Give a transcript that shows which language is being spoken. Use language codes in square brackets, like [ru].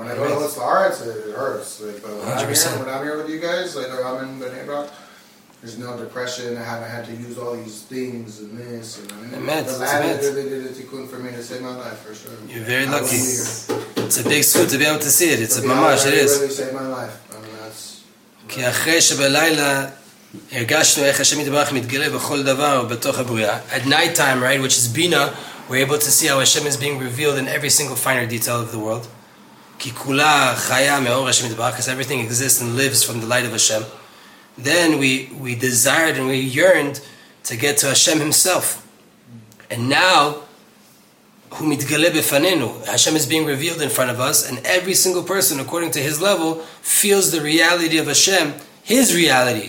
[en] When I go to the Saritz, it hurts. Like, but when I'm here with you guys, like, I'm in B'nai Brak, there's no depression. I haven't had to use all these things and this. The land did a tikkun for me to save my life, for sure. You're very lucky. It's a big school to be able to see it. It's a mamash, it is. It really saved my life. I mean, that's... [he] כי אחרי שבלילה הרגשנו איך השם יתברך מתגלה בכל דבר בתוך הבריאה. [en] At night time, right, which is Bina, we're able to see how Hashem is being revealed in every single finer detail of the world. [he] כי כולה חיה מאור השם יתברך, [en] because everything exists and lives from the light of Hashem. Then we desired and we yearned to get to Hashem Himself. And now, [he] הוא מתגלה בפנינו. [en] Hashem is being revealed in front of us, and every single person, according to his level, feels the reality of Hashem, his reality.